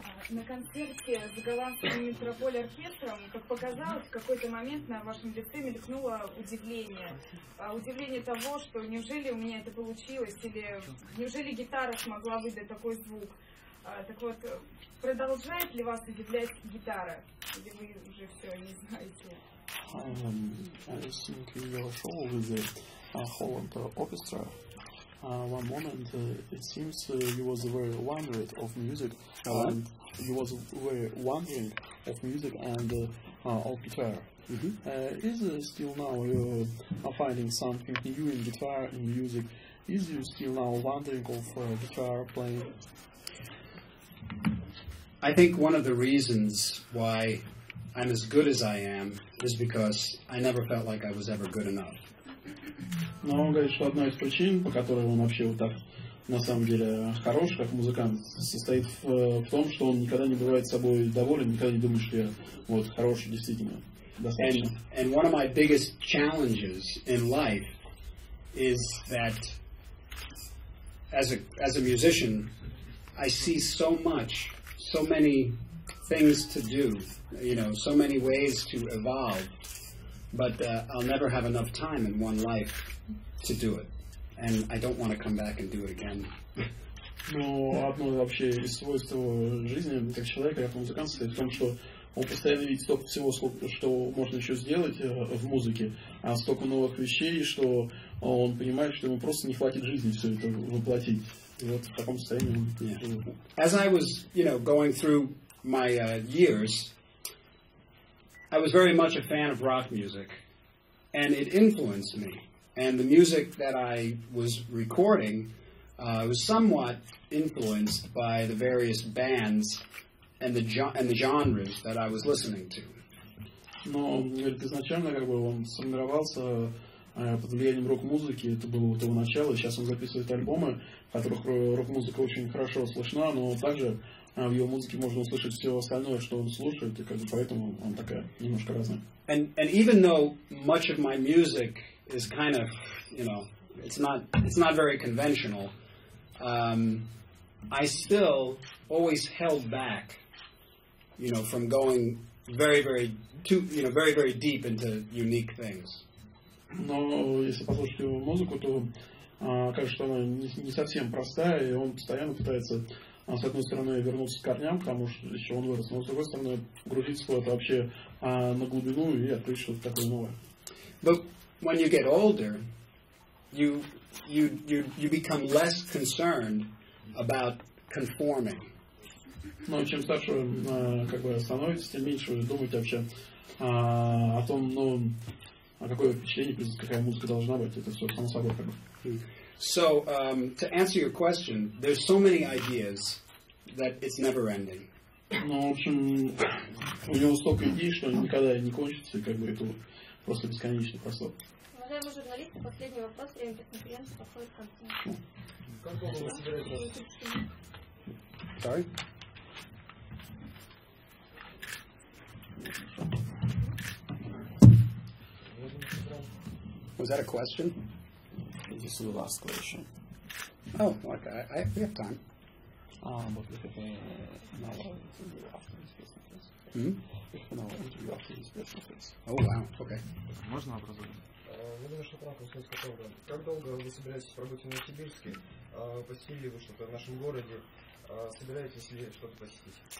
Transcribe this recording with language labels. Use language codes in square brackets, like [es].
[ru] На концерте с голландским метрополь-оркестром, как показалось, в какой-то момент на вашем лице мелькнуло удивление. Удивление того, что неужели у меня это получилось, или неужели гитара смогла выдать такой звук. Так вот, продолжает ли вас удивлять гитара? Или вы уже все не знаете? [en] I think your show with the Holland Orchestra. One moment, it seems you was very wondering of music, and you was very wondering of music and of guitar. Is still now you finding something new in guitar in music? Is you still now wondering of guitar playing? I think one of the reasons why I'm as good as I am is because I never felt like I was ever good enough. [ru] Но он говорит, что одна из причин, по которой он вообще вот так на самом деле хорош, как музыкант, состоит в том, что он никогда не бывает собой доволен, никогда не думает, что я вот хороший действительно. Достаточно. [en] And one of my biggest challenges in life is that as a musician, I see so much, so many things to do, you know, so many ways to evolve. But I'll never have enough time in one life to do it, and I don't want to come back and do it again. [ru] Но одно вообще из свойств жизни как человека, как музыканта, в том, что он постоянно видит столько всего, сколько что можно еще сделать в музыке, а столько новых вещей, что он понимает, что ему просто не хватит жизни все это воплотить. Вот в таком состоянии. [en] As I was, you know, going through my years. I was very much a fan of rock music, and it influenced me. And the music that I was recording was somewhat influenced by the various bands and the genres that I was listening to. [ru] Но изначально как бы он сформировался под влиянием рок-музыки. Это было у того начала. Сейчас он записывает альбомы, в которых рок-музыка очень хорошо слышна, но также в его музыке можно услышать все остальное, что он слушает, и как бы поэтому он такая немножко разная. [en] And even though much of my music is kind of, you know, it's not very conventional, I still always held back, you know, from going very, very too, you know, very, very deep into unique things. [ru] Но если послушать его музыку, то кажется, что она не совсем простая, и он постоянно пытается. А с одной стороны вернуться к корням, потому что еще он вырос, но с другой стороны грузиться куда-то вообще на глубину и открыть что-то такое новое. [en] But when you get older, you become less concerned about conforming. [ru] Но чем старше как бы становится, тем меньше вы думаете вообще о том, ну, о какое впечатление, какая музыка должна быть, это все само собой как бы. [en] So, to answer your question, there's so many ideas that it's never ending. [ru] Ну, в общем, у него столько идей, что никогда не кончится, и как бы это просто бесконечно прошло. Уважаемые журналисты, последний вопрос, время пресс-конференции подходит к концу. Как долго вы собираетесь? [en] Was that a question? This is the last question. Oh, okay. We have time. But we have another interview after this presentation. We have another interview after this presentation. Oh, wow. Okay. [ru] Можно образовать? Ну, думаю, что Франк, вопрос какого-то. Как долго вы собираетесь пробыть в Новосибирске? Посетили вы что-то в нашем городе? Собираетесь ли что-то посетить?